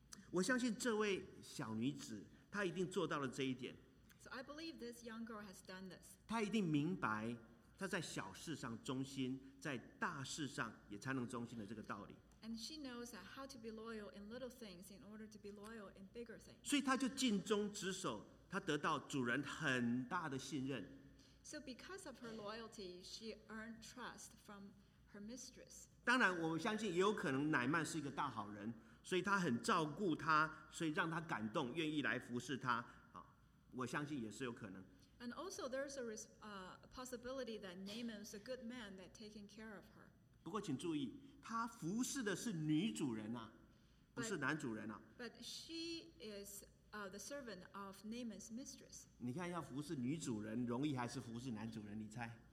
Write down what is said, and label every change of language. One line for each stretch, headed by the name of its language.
Chinese: 我相信这位小女子，她一定做到了这一点。
English: So I believe this young girl has done this.
Chinese: 她一定明白，她在小事上忠心，在大事上也才能忠心的这个道理。
English: And she knows that how to be loyal in little things in order to be loyal in bigger things.
Chinese: 所以她就尽忠职守，她得到主人很大的信任。
English: So because of her loyalty, she earned trust from her mistress.
Chinese: 当然，我相信也有可能乃曼是一个大好人。所以他很照顾他，所以让他感动，愿意来服侍他。我相信也是有可能。
English: And also, there's a possibility that Naaman is a good man that taking care of her.
Chinese: 不过请注意，他服侍的是女主人啊，不是男主人啊。
English: But she is the servant of Naaman's mistress.
Chinese: 你看，要服侍女主人容易还是服侍男主人？你猜？